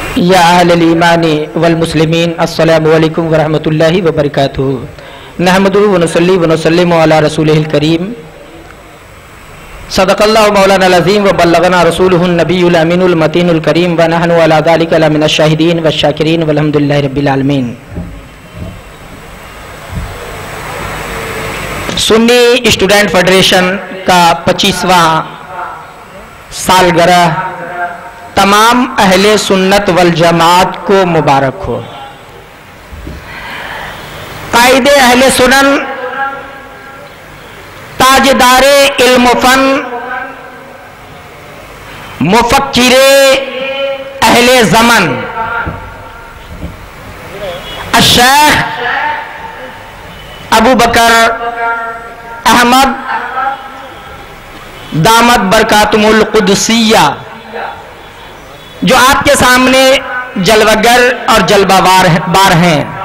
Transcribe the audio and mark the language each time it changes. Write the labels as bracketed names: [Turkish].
[Arabic] या अहले ईमानी वल मुस्लिमीन, अस्सलामु अलैकुम व रहमतुल्लाहि व बरकातहू। नहमदुहू व नुसल्ली व नुसल्लिमु अला रसूलिहिल करीम। صدق الله مولانا العظيم وبلغنا رسوله النبي الامين المتين الكريم ونحن على ذلك من الشاهدين والشاكرين والحمد لله رب العالمين। [Hindi] सुन्नी स्टूडेंट फेडरेशन का 25वां सालगिरह तमाम अहले सुन्नत वल जमात को मुबारक हो। कायदे अहले सुनन ताजदारे इल्म फन मुफक्किरे अहले जमन अशेख अबू बकर अहमद दामत बरकातुमुल कुदसिया जो आपके सामने जलवागर और जलबावार बार हैं।